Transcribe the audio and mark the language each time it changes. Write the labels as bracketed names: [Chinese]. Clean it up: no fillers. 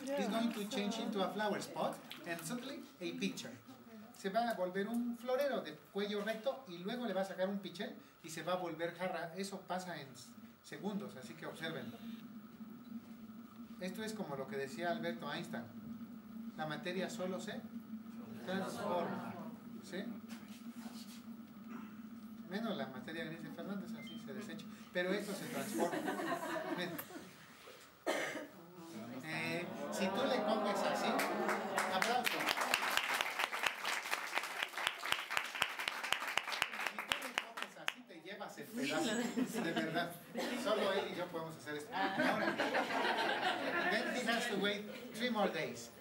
[English] It's going to change into a flower spot and suddenly a pitcher. [Spanish] Se va a volver un florero de cuello recto y luego le va a sacar un pitcher y se va a volver jarra. Eso pasa en segundos, así que observen. Esto es como lo que decía Alberto Einstein. La materia solo se transforma. ¿Sí? Menos la materia gris de Fernández, así se desecha. Pero esto se transforma. Ven. Si tú le comes así, aplauso. Si tú le comes así, te llevas el pedazo. De verdad. Solo él y yo podemos hacer esto. Ahora, [English] then he has to wait 3 more days.